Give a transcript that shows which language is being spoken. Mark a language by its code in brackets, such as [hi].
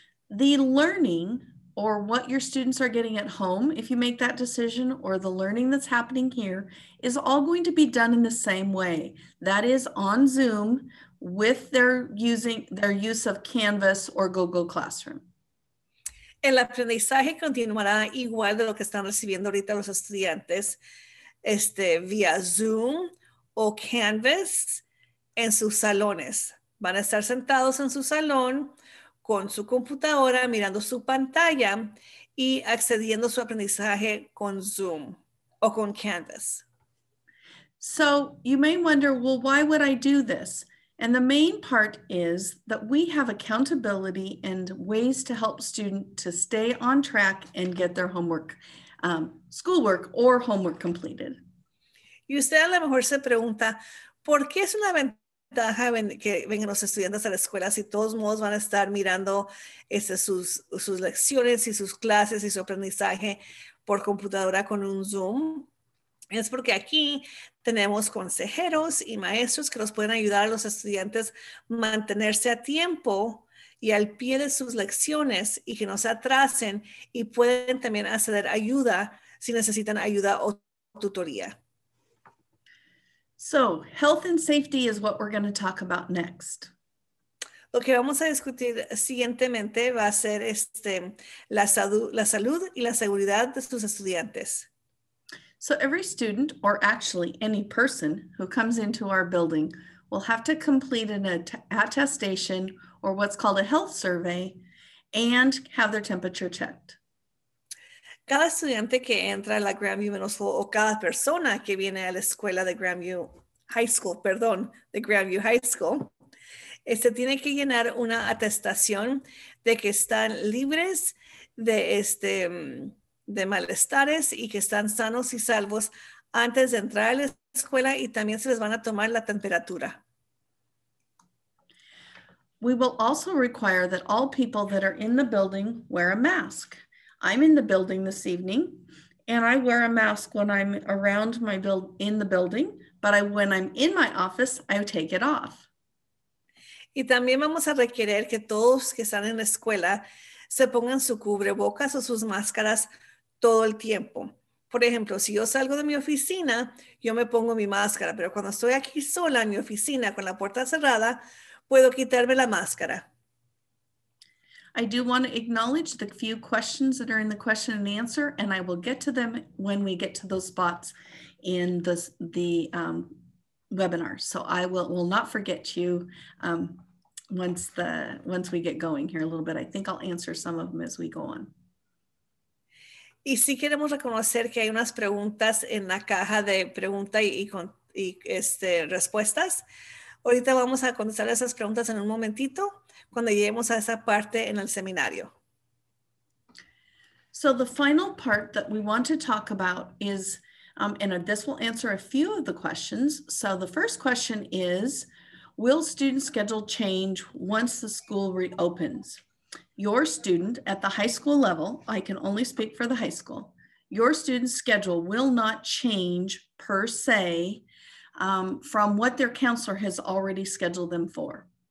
[en] The learning, or what your students are getting at home, if you make that decision, or the learning that's happening here, is all going to be done in the same way. That is on Zoom with their use of Canvas or Google Classroom. [es] El aprendizaje continuará igual de lo que están recibiendo ahorita los estudiantes. Vía Zoom o Canvas en sus salones. Van a estar sentados en su salón con su computadora mirando su pantalla y accediendo a su aprendizaje con Zoom o con Canvas. [en] So you may wonder, well, why would I do this? And the main part is that we have accountability and ways to help students to stay on track and get their homework, schoolwork or homework completed. [es] Y usted a lo mejor se pregunta, ¿por qué es una ventaja que vengan los estudiantes a la escuela si todos modos van a estar mirando sus lecciones y sus clases y su aprendizaje por computadora con un Zoom? Es porque aquí tenemos consejeros y maestros que los pueden ayudar a los estudiantes a mantenerse a tiempo y al pie de sus lecciones y que no se atrasen y pueden también acceder ayuda si necesitan ayuda o tutoría. [en] So, health and safety is what we're going to talk about next. [es] Lo que vamos a discutir siguientemente va a ser la salud y la seguridad de sus estudiantes. [en] So every student, or actually any person who comes into our building, will have to complete an attestation or what's called a health survey and have their temperature checked. [es] Cada estudiante que entra a la Grandview Middle School o cada persona que viene a la escuela de Grandview High School, perdón, de Grandview High School, tiene que llenar una atestación de que están libres de malestares y que están sanos y salvos antes de entrar a la escuela y también se les van a tomar la temperatura. [en] We will also require that all people that are in the building wear a mask. I'm in the building this evening and I wear a mask when I'm around my in the building, but when I'm in my office, I take it off. [es] Y también vamos a requerir que todos que están en la escuela se pongan su cubrebocas o sus máscaras todo el tiempo. Por ejemplo, si yo salgo de mi oficina, yo me pongo mi máscara, pero cuando estoy aquí sola en mi oficina con la puerta cerrada, puedo quitarme la máscara. [en] I do want to acknowledge the few questions that are in the question and answer, and I will get to them when we get to those spots in the webinar. So I will not forget you once we get going here a little bit. I think I'll answer some of them as we go on. [es] Y sí queremos reconocer que hay unas preguntas en la caja de pregunta y respuestas. Ahorita vamos a contestar esas preguntas en un momentito cuando lleguemos a esa parte en el seminario. [en] So the final part that we want to talk about is, this will answer a few of the questions. So the first question is, will student schedule change once the school reopens? Your student at the high school level, I can only speak for the high school, your student's schedule will not change per se from what their counselor has already scheduled them for.